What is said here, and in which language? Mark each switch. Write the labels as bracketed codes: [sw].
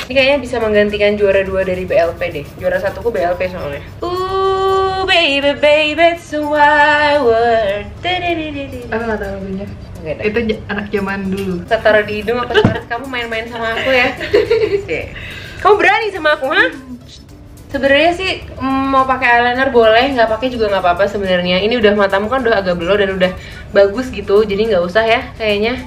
[id] Ini kayaknya bisa menggantikan juara 2 dari BLP deh. Juara 1 ku BLP soalnya. [en] Ooh baby, it's a wild world. [id] Aku gak tau lagunya. Itu anak zaman dulu. Saya taruh di hidung apa sekarang kamu main-main sama aku ya. Kamu berani sama aku, ha? Sebenarnya sih mau pakai eyeliner boleh, nggak pakai juga nggak apa-apa sebenarnya. Ini udah matamu kan udah agak blur dan udah bagus gitu, jadi nggak usah ya kayaknya.